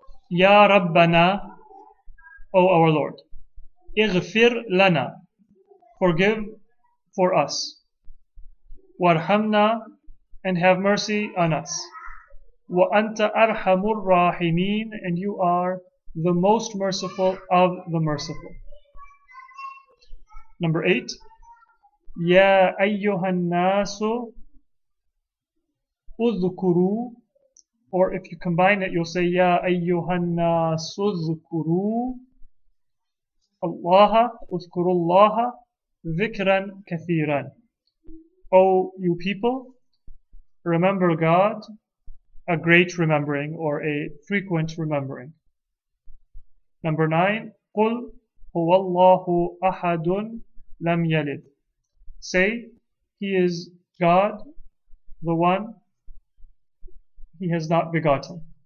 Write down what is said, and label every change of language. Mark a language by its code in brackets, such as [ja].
[ar] Ya Rabbana, [en] O our Lord, [ar] Ighfir lana, [en] forgive for us, [ar] Warhamna, [en] and have mercy on us. [ar] وَأَنْتَ أَرْحَمُ الرَّاحِمِينَ, [en] and you are the most merciful of the merciful. Number 8. [ar] يَا أَيُّهَا النَّاسُ اُذْكُرُوا, [en] or if you combine it, you'll say [ar] يَا أَيُّهَا النَّاسُ اُذْكُرُوا اللَّهَ, اُذْكُرُوا اللَّهَ ذِكْرًا كَثِيرًا. [en] O you people, remember God, a great remembering or a frequent remembering. Number 9. [ar] قُلْ هُوَ اللَّهُ أَحَدٌ لَمْ يَلِدْ. [en] Say, He is God, the One, He has not begotten.